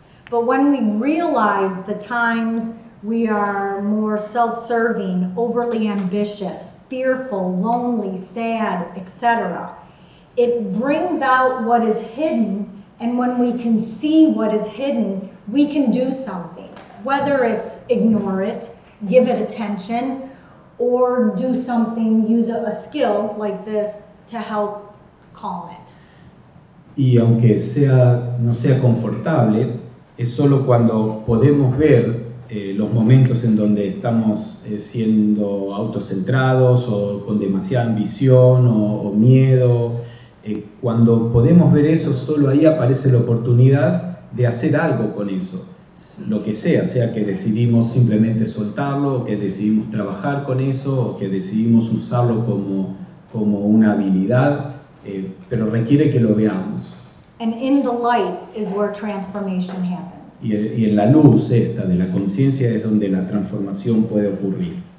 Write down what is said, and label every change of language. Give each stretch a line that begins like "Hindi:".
English: But when we realize the times we are more self-serving, overly ambitious, fearful, lonely, sad, etc., it brings out what is hidden, and when we can see what is hidden, we can do something. Whether it's ignore it, give it attention, or do something, use a skill like this to help calm it.
Spanish: Y aunque no sea confortable, es solo cuando podemos ver los momentos en donde estamos siendo autocentrados o con demasiada ambición o miedo. Cuando podemos ver eso, solo ahí aparece la oportunidad de hacer algo con eso. Lo que sea que decidimos simplemente soltarlo, o que decidimos trabajar con eso, o que decidimos usarlo como una habilidad, pero requiere que lo veamos.
English: And in the light is where transformation happens.
Spanish: Y en la luz esta de la conciencia es donde la transformación puede ocurrir.